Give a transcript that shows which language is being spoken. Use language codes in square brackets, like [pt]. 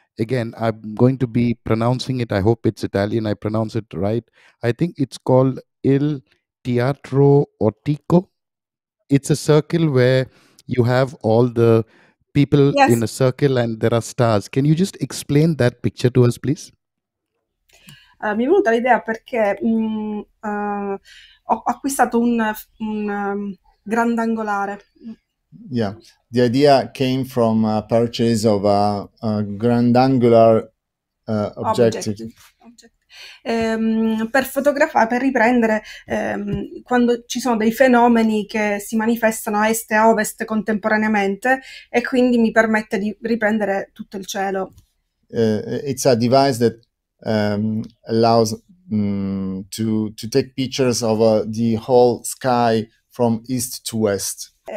[en] Again, I'm going to be pronouncing it. I hope it's Italian. I pronounce it right. I think it's called Il Teatro Ottico. It's a circle where you have all the people in a circle and there are stars. Can you just explain that picture to us, please? [it] Mi è venuta l'idea perché ho acquistato un grandangolare. [en] Yeah, the idea came from a purchase of a grandangular objective. [it] Per fotografare, per riprendere quando ci sono dei fenomeni che si manifestano a est e a ovest contemporaneamente, e quindi mi permette di riprendere tutto il cielo. [en] It's a device that allows to take pictures of the whole sky from east to west.